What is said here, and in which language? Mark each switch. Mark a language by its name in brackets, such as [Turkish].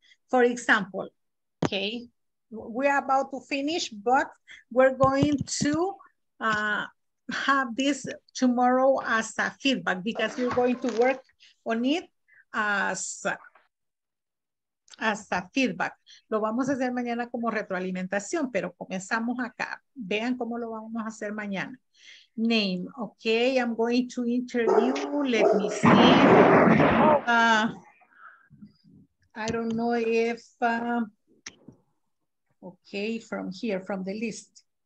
[English] For example, okay, we're about to finish, but we're going to have this tomorrow as a feedback because you're going to work on it as a feedback. [Spanish] Lo vamos a hacer mañana como retroalimentación, pero comenzamos acá. Vean cómo lo vamos a hacer mañana. [English] Name, okay, I'm going to interview, let me see. I don't know if, okay, from here, from the list.